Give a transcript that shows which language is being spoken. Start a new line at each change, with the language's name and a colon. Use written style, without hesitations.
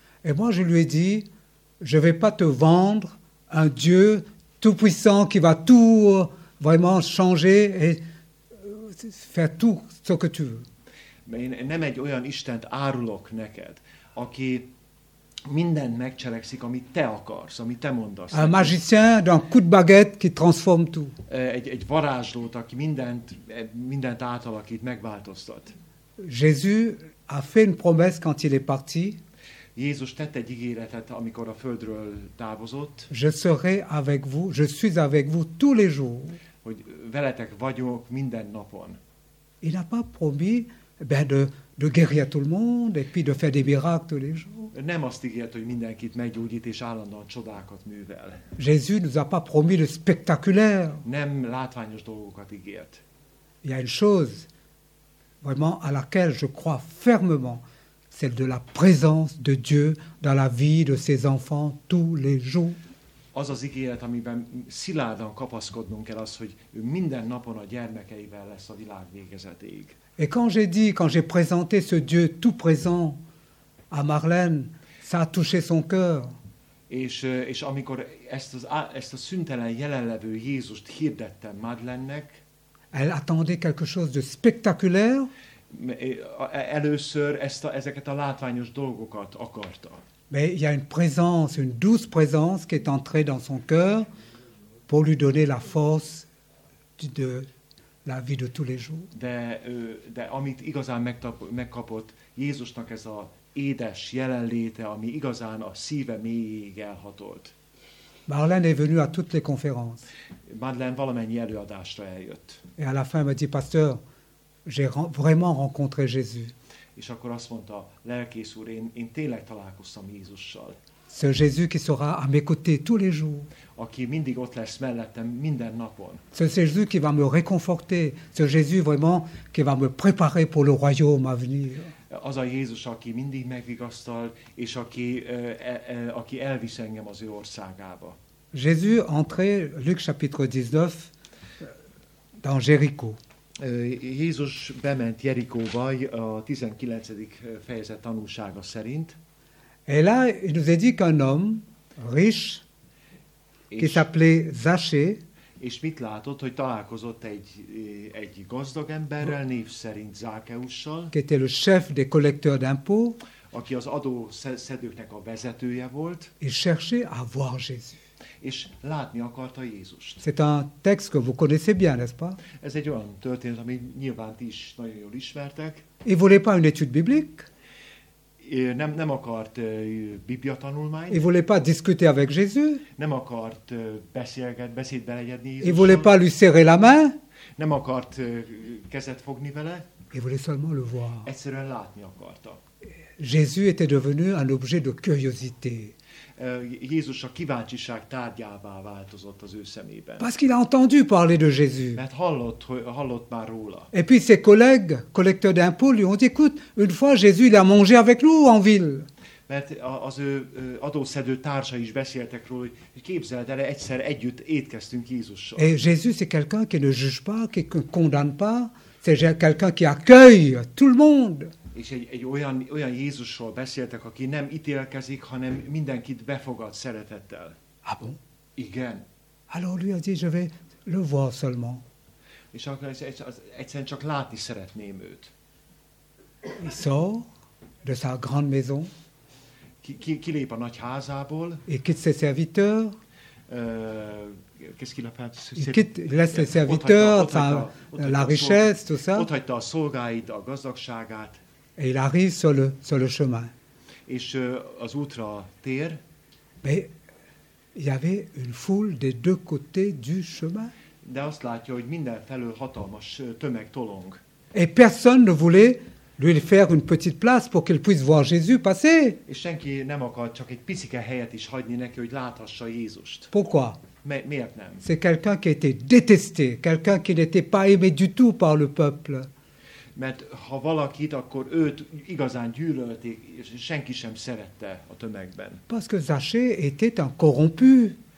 French: Et moi je lui ai dit, je vais pas te vendre un Dieu tout puissant qui va tout vraiment changer et faire tout ce que tu veux.
Hungarian: Én nem egy olyan Istent árulok neked, aki mindent megcselekszik, amit te akarsz, amit te mondasz.
French: Un magicien d'un coup de baguette qui transforme tout.
Hungarian: Egy varázslót, aki mindent átalakít, megváltoztat.
French: Jésus a fait une promesse quand il est parti.
Hungarian: Jézus tett egy ígéretet, amikor a földről távozott.
French: Je serai avec vous, je suis avec vous tous les jours.
Hungarian: Hogy veletek vagyok minden napon.
French: Il n'a pas promis de guérir tout le monde et puis de faire des miracles tous les jours.
Hungarian: Nem azt ígért, hogy mindenkit meggyógyít és állandóan csodákat művel.
French: Jésus nous a pas promis le spectaculaire.
Hungarian: Nem látványos dolgokat ígért.
French: Il y a une chose vraiment à laquelle je crois fermement, celle de la présence de Dieu dans la vie de ses enfants tous les jours.
Hungarian: Az az ígéret, amiben szilárdan kapaszkodnunk kell, az, hogy ő minden napon a gyermekeivel lesz a világ végezetéig.
French: Et quand j'ai dit, quand j'ai présenté ce Dieu tout présent à Marlène, ça a touché son cœur.
Hungarian: És amikor ezt a szüntelen jelenlevő Jézust hirdettem Madeleine-nek,
French: elle attendait quelque chose de spectaculaire.
Hungarian: Először ezeket a látványos dolgokat akarta.
French: Mais il y a une présence, une douce présence qui est entrée dans son cœur pour lui donner la force de la vie de tous les jours.
Hungarian: De amit igazán megkapott Jézusnak ez a édes jelenléte, ami igazán a szíve mélyéig elhatolt.
French: Madeleine est venue à toutes les conférences.
Hungarian: Madeleine valamennyi előadásra eljött.
French: Et à la fin, elle m'a dit, pasteur, j'ai vraiment rencontré Jésus.
Hungarian: És akkor azt mondta, lelkész úr, én tényleg találkoztam Jézussal.
French: Ce Jésus qui sera à mes côtés tous les jours.
Hungarian: Aki mindig ott lesz mellettem minden napon.
French: Ce Jésus qui va me réconforter. Ce Jésus vraiment qui va me préparer pour le royaume à venir.
Hungarian: Az a Jézus, aki mindig megvigasztal, és aki elvisz engem az ő országába.
French: Jésus entré, Luc chapitre 19, dans Jéricho.
Hungarian: Jézus bement Jerikóba a 19. fejezet tanúsága szerint.
French: Et là, il nous est dit qu'un homme riche qui s'appelait Zachée,
Hungarian: és mit látott, hogy találkozott egy gazdag emberrel, név szerint Zákeussal,
French: qui était le chef des collecteurs d'impôts,
Hungarian: aki az adó szedőknek a vezetője volt,
French: et cherchait à voir Jésus.
Hungarian: És látni akarta Jézust.
French: C'est un texte que vous connaissez bien, n'est-ce pas?
Hungarian: Ez egy olyan történet, ami nyilván ti is nagyon jól ismertek.
French: Il voulait pas une étude biblique.
Hungarian: Nem akart biblia tanulmányt.
French: Il voulait pas discuter avec Jésus.
Hungarian: Nem akart beszédbe legyedni Jézussal.
French: Il voulait pas lui serrer la main.
Hungarian: Nem akart kezet fogni vele.
French: Il voulait seulement le voir.
Hungarian: Egyszerűen látni akarta.
French: Jésus était devenu un objet de curiosité.
Hungarian: Jézus a kíváncsiság tárgyává változott az ő szemében.
French: Parce qu'il a entendu parler de Jésus.
Hungarian: Mert hallott már róla.
French: Et puis ses collègues, collecteurs d'impôts, lui ont dit, écoute, une fois Jésus, il a mangé avec nous en ville.
Hungarian: Mert az ő adószedő társa is beszéltek róla, hogy képzeld el, egyszer együtt étkeztünk Jézussal.
French: Et Jésus, c'est quelqu'un qui ne juge pas, qui ne condamne pas, c'est quelqu'un qui accueille tout le monde.
Hungarian: És egy olyan Jézusról beszéltek, aki nem ítélkezik, hanem mindenkit befogad szeretettel.
French: Ah bon?
Hungarian: Igen.
French: Alors lui a dit, je vais le voir seulement.
Hungarian: És akkor egyszerűen csak látni szeretném őt.
French: Il sort de sa grande maison.
Hungarian: Kilép a nagy házából.
French: Et quitte ses serviteurs. Qu'est-ce qu'il a fait? Laisse ses serviteurs, la richesse, tout ça.
Hungarian: Ott hagyta a szolgáit, a gazdagságát.
French: Et il arrive sur le chemin.
Hungarian: És az útra tér.
French: Mais il y avait une foule des deux côtés du chemin.
Hungarian: De azt látja, hogy mindenfelől hatalmas tömeg tolong.
French: Et personne ne voulait lui faire une petite place pour qu'il puisse voir Jésus passer.
Hungarian: És senki nem akart csak egy picike helyet is hagyni neki, hogy láthassa Jézust.
French: Pourquoi?
Hungarian: Miért nem?
French: C'est quelqu'un qui était détesté, quelqu'un qui n'était pas aimé du tout par le peuple.
Hungarian: Mert ha valakit, akkor őt igazán gyűlölték, és senki sem szerette a tömegben.
French: Parce que Zachée était un corrompu.